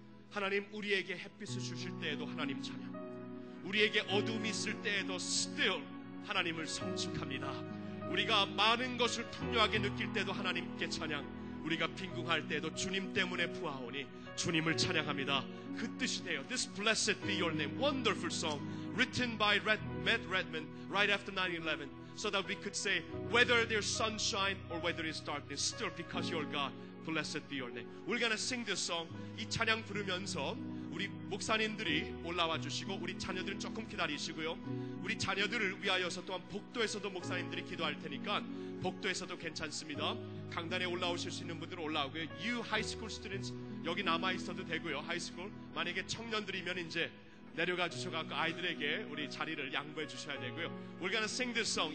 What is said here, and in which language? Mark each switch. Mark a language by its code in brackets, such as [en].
[ko] 하나님 우리에게 햇빛을 주실 때에도 하나님 찬양, 우리에게 어둠이 있을 때에도 still 하나님을 송축합니다. 우리가 많은 것을 풍요하게 느낄 때도 하나님께 찬양, 우리가 빈궁할 때에도 주님 때문에 부하오니 주님을 찬양합니다. 그 뜻이 돼요. [en] This blessed be your name. Wonderful song written by Matt Redman right after 9-11 so that we could say whether there's sunshine or whether it's darkness still because you're God. Blessed be your name. We're gonna sing this song. [ko] 이 찬양 부르면서 우리 목사님들이 올라와 주시고 우리 자녀들은 조금 기다리시고요. 우리 자녀들을 위하여서 또한 복도에서도 목사님들이 기도할 테니까 복도에서도 괜찮습니다. 강단에 올라오실 수 있는 분들 올라오고요. [en] You high school students [ko] 여기 남아 있어도 되고요. High school 만약에 청년들이면 이제 내려가 주셔서 아이들에게 우리 자리를 양보해 주셔야 되고요. [en] We're gonna sing this song.